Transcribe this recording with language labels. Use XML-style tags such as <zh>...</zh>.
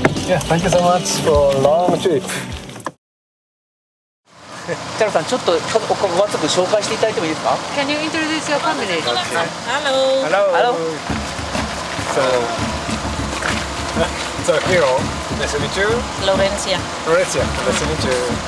<en>Yeah, thank you so much for long trip.</en> <ja>チャロさん、ちょっとここをまず紹介していただいてもいいですか？</ja> <en>Can you introduce your family? Hello. Hello. So, so Hiro, nice to meet you. Florencia. Florencia, nice to meet you.</en>